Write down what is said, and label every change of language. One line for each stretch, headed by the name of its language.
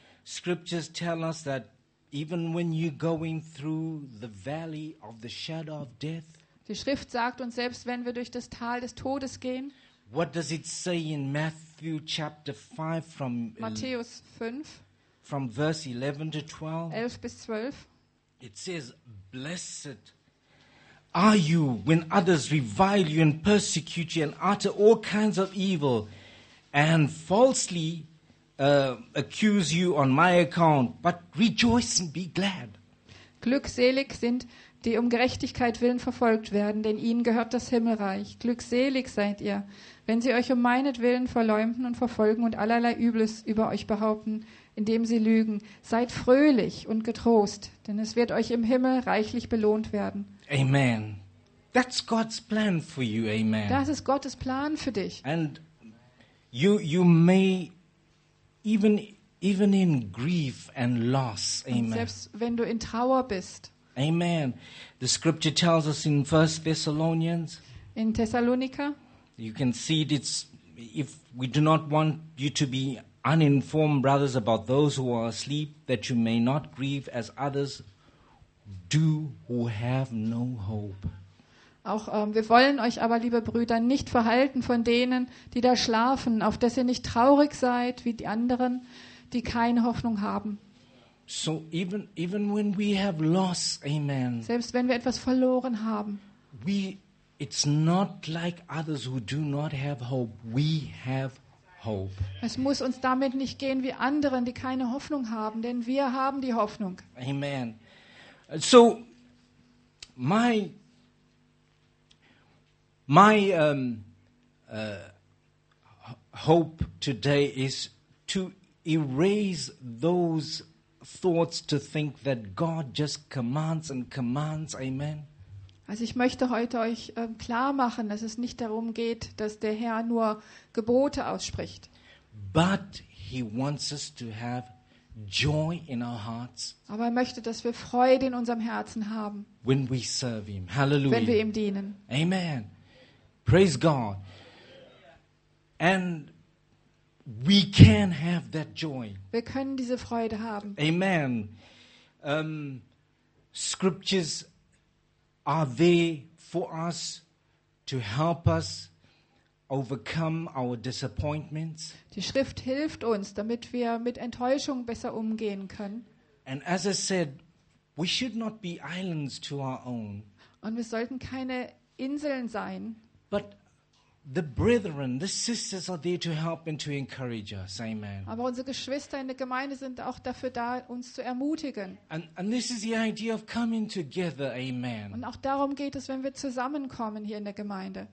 English: Scriptures tell us that even when you're going through the valley of the shadow of death.
German: Die Schrift sagt uns, selbst wenn wir durch das Tal des Todes gehen.
English: What does it say in Matthew chapter 5 from
German: Matthäus 5
English: from verse 11 to 12?
German: 11 bis 12.
English: It says, blessed are you when others revile you and persecute you and utter all kinds of evil and falsely accuse you on my account, but rejoice and be glad.
German: Glückselig sind, die um Gerechtigkeit willen verfolgt werden, denn ihnen gehört das Himmelreich. Glückselig seid ihr, wenn sie euch um meinetwillen verleumden und verfolgen und allerlei Übles über euch behaupten, indem sie lügen. Seid fröhlich und getrost, denn es wird euch im Himmel reichlich belohnt werden.
English: Amen. That's God's plan for you, amen.
German: Das ist Gottes Plan für dich.
English: And you may even in grief and loss, amen.
German: Selbst wenn du in Trauer bist.
English: Amen. The scripture tells us in 1 Thessalonians.
German: In Thessalonica.
English: You can see it's if we do not want you to be uninformed, brothers, about those who are asleep, that you may not grieve as others do who have no hope.
German: Auch wir wollen euch aber, liebe Brüder, nicht verhalten von denen, die da schlafen, auf dass ihr nicht traurig seid wie die anderen, die keine Hoffnung haben.
English: So even when we have lost, amen.
German: Selbst wenn wir etwas verloren haben.
English: It's not like others who do not have hope. We have hope.
German: Es muss uns damit nicht gehen wie anderen, die keine Hoffnung haben, denn wir haben die Hoffnung.
English: Amen. So my hope today is to erase those thoughts to think that God just commands and commands, amen.
German: Also ich möchte heute euch klar machen, dass es nicht darum geht, dass der Herr nur Gebote ausspricht.
English: But he wants us to have joy in our hearts.
German: Aber er möchte, dass wir Freude in unserem Herzen haben.
English: When we serve him. Hallelujah.
German: Wenn wir ihm dienen.
English: Amen. Praise God. And we can have that joy.
German: Wir können diese Freude haben.
English: Amen. Scriptures are there for us to help us overcome our disappointments.
German: Die Schrift hilft uns, damit wir mit Enttäuschung besser umgehen können.
English: And as I said, we should not be islands to our own.
German: Und wir sollten keine Inseln sein.
English: But the brethren, the sisters are there to help and to encourage us. Amen.
German: Aber unsere Geschwister in der Gemeinde sind auch dafür da, uns zu ermutigen.
English: And this is the idea of coming together. Amen.
German: Und auch darum geht es, wenn wir zusammenkommen hier in der Gemeinde.